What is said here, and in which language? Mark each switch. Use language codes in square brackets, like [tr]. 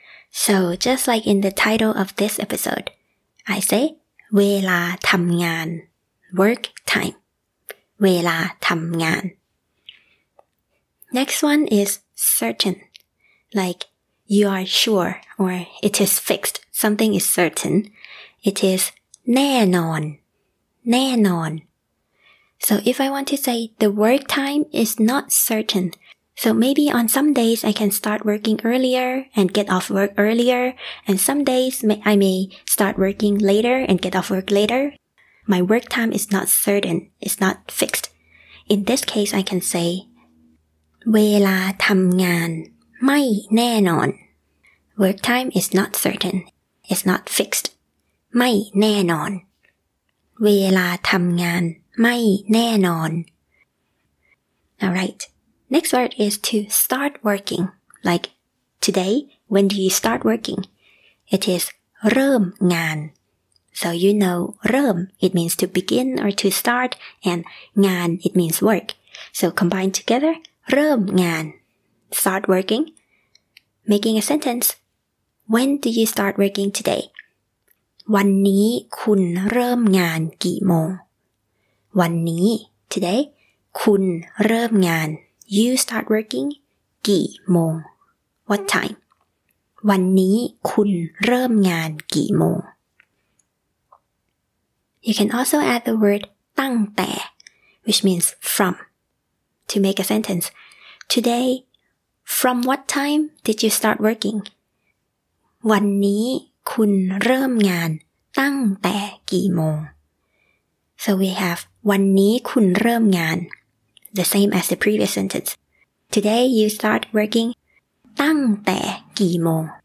[en] So just like in the title of this episode, I say [th] เวลาทำงาน, [en] work time. เวลาทำงาน. Next one is certain, like you are sure or it is fixed. Something is certain. It is แน่นอน, แน่นอน. So if I want to say the work time is not certain, so maybe on some days I can start working earlier and get off work earlier, and some days I may start working later and get off work later. My work time is not certain, it's not fixed. In this case, I can say [th] เวลาทำงานไม่แน่นอน. [en] Work time is not certain, it's not fixed. [th] ไม่แน่นอน. เวลาทำงานไม่แน่นอน. Alright. [en] Next word is to start working. Like today, when do you start working? It is เริ่มงาน. So you know เริ่ม, it means to begin or to start, and งาน, it means work. So combined together, เริ่มงาน. Start working. Making a sentence. When do you start working today? [th] วันนี้คุณเริ่มงานกี่โมง? วันนี้, [en] today, [th] คุณเริ่มงาน. [en] You start working [th] กี่โมง? [en] What time? [th] วันนี้คุณเริ่มงานกี่โมง? [en] You can also add the word ตั้งแต่, which means from, to make a sentence. Today, from what time did you start working? [th] วันนี้คุณเริ่มงานตั้งแต่กี่โมง? [en] So we have [th] วันนี้คุณเริ่มงาน, [en] the same as the previous sentence. Today you start working [th] ตั้งแต่กี่โมง?